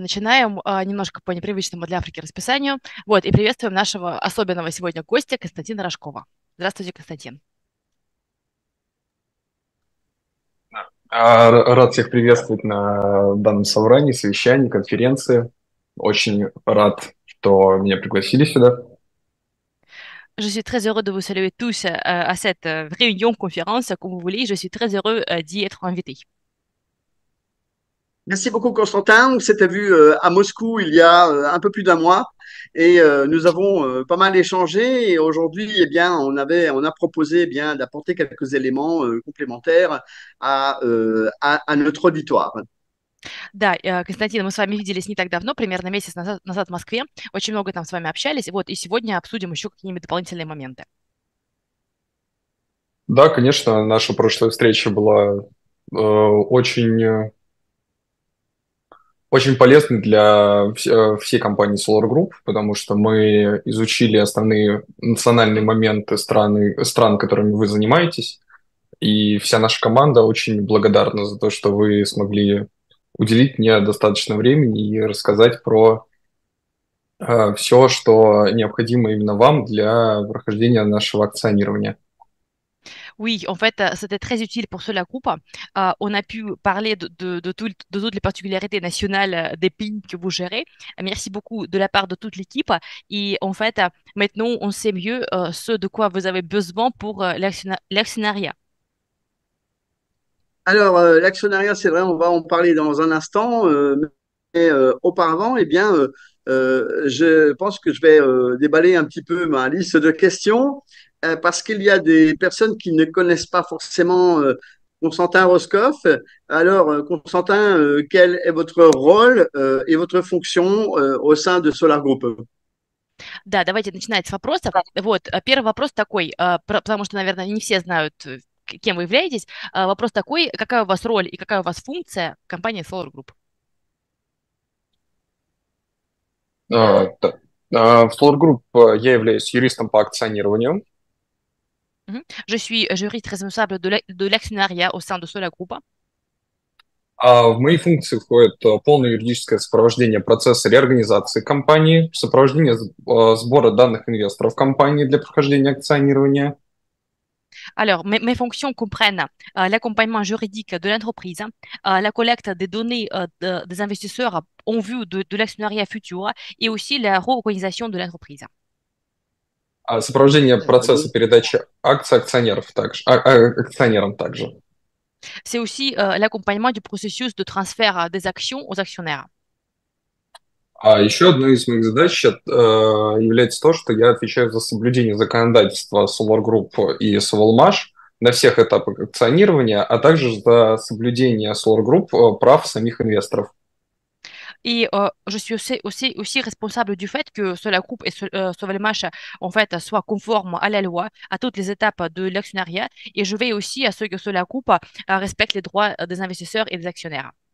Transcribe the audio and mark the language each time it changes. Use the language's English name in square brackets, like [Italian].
[Russian] Начинаем немножко по непривычному для Африки расписанию. Вот, и приветствуем нашего особенного сегодня гостя Константина Рожкова. Здравствуйте, Константин. Рад всех приветствовать на данном собрании, совещании, конференции. Очень рад, что меня пригласили сюда. [French] Je suis très heureux de vous saluer tous à cette réunion, conférence, comme vous voulez. Je suis très heureux d'y être invité. Merci beaucoup, Constantin. On s'était vu à Moscou il y a un peu plus d'un mois et nous avons pas mal échangé. Et aujourd'hui, eh bien, on a proposé, eh bien, d'apporter quelques éléments complémentaires à notre auditoire. [Russian] Да, Константин, мы с вами виделись не так давно, примерно месяц назад в Москве. Очень много там с вами общались. Вот, и сегодня обсудим еще какие-нибудь дополнительные моменты. Да, конечно, наша прошлая встреча была очень полезно для всей компании Solar Group, потому что мы изучили основные национальные моменты стран, которыми вы занимаетесь, и вся наша команда очень благодарна за то, что вы смогли уделить мне достаточно времени и рассказать про все, что необходимо именно вам для прохождения нашего акционирования. [French] Oui, en fait, c'était très utile pour ce la groupe. On a pu parler de toutes les particularités nationales des pays que vous gérez. Merci beaucoup de la part de toute l'équipe. Et en fait, maintenant, on sait mieux ce de quoi vous avez besoin pour l'actionnariat. Alors, l'actionnariat, c'est vrai, on va en parler dans un instant, mais auparavant, eh bien, je pense que je vais déballer un petit peu ma liste de questions, parce qu'il y a des personnes qui ne connaissent pas forcément Constantin Roscoff. Alors, Constantin, quel est votre rôle et votre fonction au sein de Solar Group? [Russian] Да, давайте начинать с вопроса. Вот, первый вопрос такой, потому что, наверное, не все знают, кем вы являетесь. Вопрос такой, какая у вас роль и какая у вас функция в компании Solar Group? В Solar Group я являюсь юристом по акционированию. [French] Je suis juriste responsable de l'actionnariat au sein de Solar Group. [Russian] А в мои функции входит полное юридическое сопровождение процесса реорганизации компании, сопровождение сбора данных инвесторов компании для прохождения акционирования. [French] Alors, mes fonctions comprennent l'accompagnement juridique de l'entreprise, la collecte des données des investisseurs en vue de l'actionnariat futur et aussi la réorganisation de l'entreprise. [Russian] Сопровождение процесса передачи акций акционерам также. [French] C'est aussi l'accompagnement du processus de transfert des actions aux actionnaires. [Russian] А еще одной из моих задач является то, что я отвечаю за соблюдение законодательства Solar Group и Solmash на всех этапах акционирования, а также за соблюдение Solar Group прав самих инвесторов. [French] Et je suis aussi responsable du fait que Solar Group et Solmash en fait soient conformes à la loi, à toutes les étapes de l'actionnariat, et je veille aussi à ce que Solar Group respecte les droits des investisseurs et des actionnaires.